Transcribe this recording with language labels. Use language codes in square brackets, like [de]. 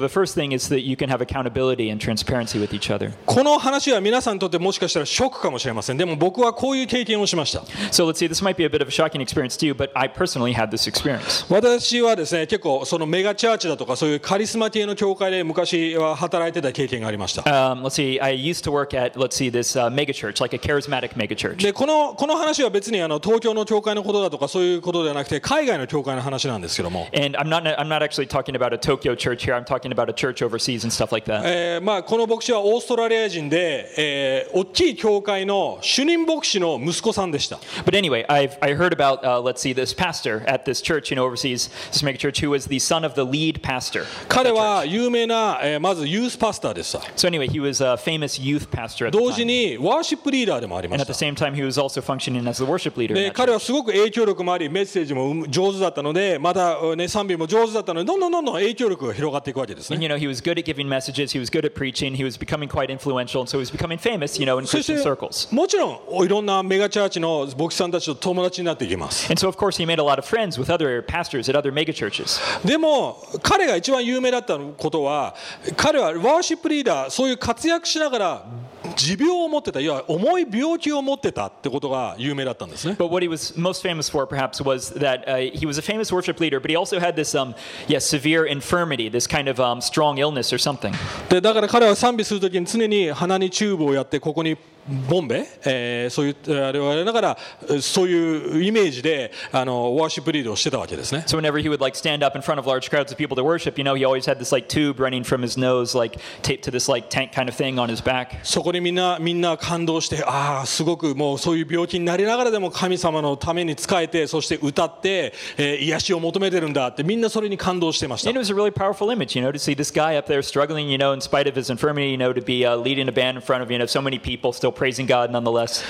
[en] So the first thing is that you can have accountability and transparency with each other. [ja] この話は皆さんにとってもしかしたらショックかもしれません。でも僕はこういう経験をしました。 [en] So let's see, this might be a bit of a shocking experience to you, but I personally had this experience. [ja] 私はですね、結構そのメガチャーチだとかそういうカリスマ系の教会で昔は働いてた経験がありました。 [en] Let's see, I used to work at, let's see, this mega church, like a charismatic mega church. [ja] で、この話は別にあの東京の教会のことだとかそういうことではなくて海外の教会の話なんですけども。 [en] And I'm not actually talking about a Tokyo church here. I'm talking about a church overseas and stuff like that. [ja] まあこの牧師はオーストラリア人で、大きい教会の主任牧師の息子さんでした。 [en] But anyway, I heard about, let's see, this pastor at this church, you know, overseas, this mega church, who was the son of the lead pastor. [ja] 彼は有名な、まずユースパスターでした。 [en] So anyway, he was a famous youth pastor at the time. [ja] 同時にワーシップリーダーでもありました。 [en] And at the same time, he was also functioning as the worship leader. [ja] 彼はすごく影響力もあり、メッセージも上手だったので、また、ね、賛美も上手だったので、どんどん影響力が広がっていくわけですね。 [en] And, you know, he was good at giving messages, he was good at preaching, he was becoming quite influential, and so he was becoming famous, you know, in Christian circles. [ja] もちろん、いろんなメガチャーチの牧師さんたちと友達になっていきます。 [en] And so, of course, he made a lot of friends with other pastors at other mega churches. [ja] でも、彼が一番有名だったことは、彼はワーシップリーダー、そういう活躍しながら、持病を持ってた、いや、重い病気を持ってたってことが有名だったんですね。 [en] But what he was most famous for, perhaps, was that he was a famous worship leader, but he also had this, yeah, severe infirmity, this kind of strong illness or something. [ja] で、だから彼は賛美するときに常に鼻にチューブをやって、ここにボンベ、そういうあれをやりながらそういうイメージであのワーシップリードをしてたわけですね。 [en] So whenever he would like stand up in front of large crowds of people to worship, you know, he always had this like tube running from his nose, like taped to this like tank kind of thing on his back. [ja] そこでみんな感動して、ああすごくもうそういう病気になりながらでも神様のために使えて、そして歌って、癒しを求めてるんだってみんなそれに感動してました。 [en] And it was a really powerful image, you know, to see this guy up there struggling, you know, in spite of his infirmity, you know, to be leading a band in front of, you know, so many people still praising God nonetheless.